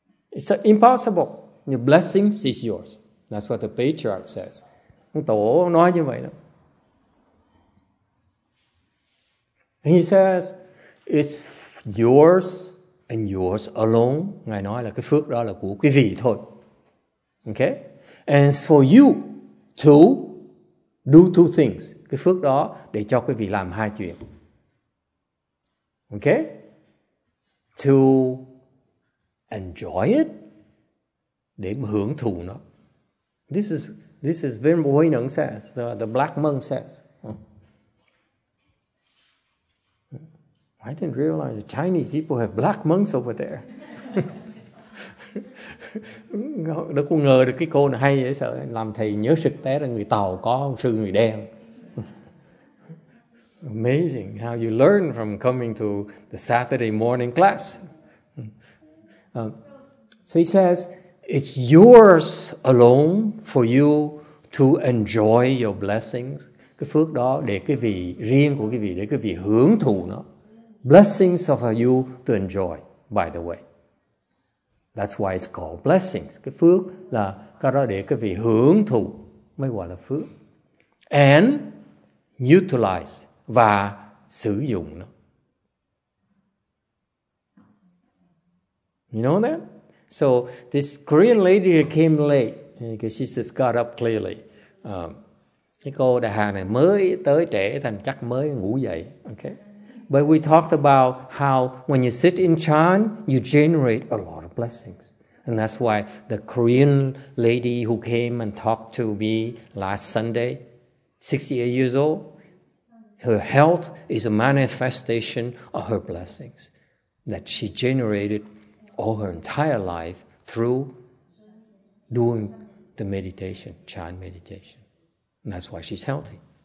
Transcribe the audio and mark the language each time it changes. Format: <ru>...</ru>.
<en>It's impossible. Your blessing is yours. That's what the patriarch says.</en> <vi>Tổ nói như vậy đó.</vi> <en>He says, it's yours. And yours alone,</en> <vi>Ngài nói là cái phước đó là của quý vị thôi.</vi> <en>Okay? And it's for you to do two things.</en> <vi>Cái phước đó để cho quý vị làm hai chuyện. Okay?</vi> <en>To enjoy it,</en> <vi>để hưởng thụ nó.</vi> <en>This is Venerable Huy Neng says, the black monk says. I didn't realize the Chinese people have black monks over there.</en> <vi>Đâu có ngờ được cái cô này hay dễ sợ. Làm thầy nhớ sực té là người Tàu có ông sư người đen.</vi> <en>Amazing how you learn from coming to the Saturday morning class. So he says, it's yours alone for you to enjoy your blessings.</en> <vi>Cái phước đó để cái vị riêng của cái vị, để cái vị hưởng thụ nó.</vi> <en>Blessings are for you to enjoy, by the way. That's why it's called blessings.</en> <vi>Cái phước là cái đó để cái vị hưởng thụ mới gọi là phước.</vi> <en>And utilize,</en> <vi>và sử dụng nó.</vi> <en>You know that? So this Korean lady came late because she just got up clearly.</en> <vi>Cái cô đại hà này mới tới trễ thành chắc mới ngủ dậy.</vi> <en>Okay. But we talked about how when you sit in chan, you generate a lot of blessings. And that's why the Korean lady who came and talked to me last Sunday, 68 years old, her health is a manifestation of her blessings that she generated all her entire life through doing the meditation, chan meditation. And that's why she's healthy.</en>